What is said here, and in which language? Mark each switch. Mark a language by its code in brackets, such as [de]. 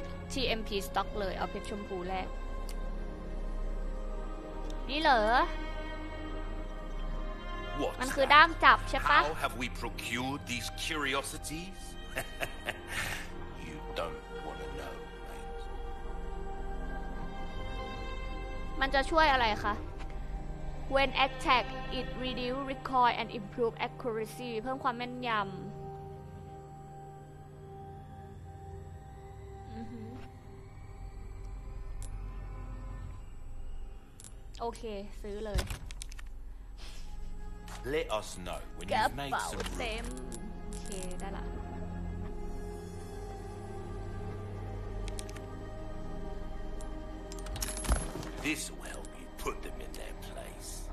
[th] TMP stock เลยเอาเพชรชมพูแรกนี่เหรอมันคือด้ามจับใช่ปะ [en] How have we procured these curiositiesYou don't want to know, mate. [th] มันจะช่วยอะไรคะ [en] When attack, it reduce recoil and improve accuracy. [th] เพิ่มความแม่นยำโอเคซื้อเลย [en] Let us know when you've made some [th] room. เคได้ละ [en] This will help you put them in their place.